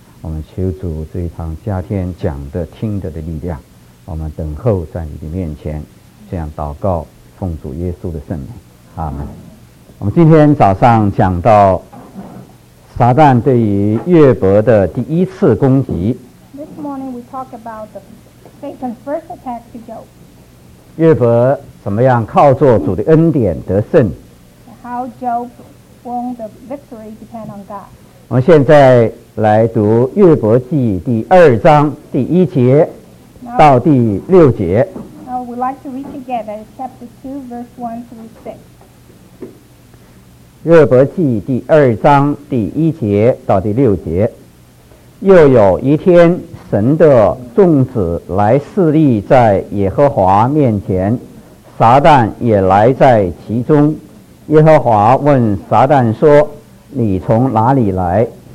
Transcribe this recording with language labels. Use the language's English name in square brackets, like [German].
[Chinese] 我们求主这一堂加添讲的听得的力量，我们等候在你的面前，这样祷告奉主耶稣的圣名，阿们。我们今天早上讲到撒旦对于约伯的第一次攻击。 [English] This morning we talk about the Satan's first attack to Job. [Chinese] 约伯怎么样靠着主的恩典得胜。 [English] How Job won the victory depend on God. [Chinese] 我们现在来读约伯记第二章第一节到第六节。 [English] Now we'd like to read together chapter 2 verse 1 through 6. [Chinese] 约伯记第二章第一节到第六节。又有一天，神的众子来侍立在耶和华面前，撒旦也来在其中。耶和华问撒旦说：你从哪里来？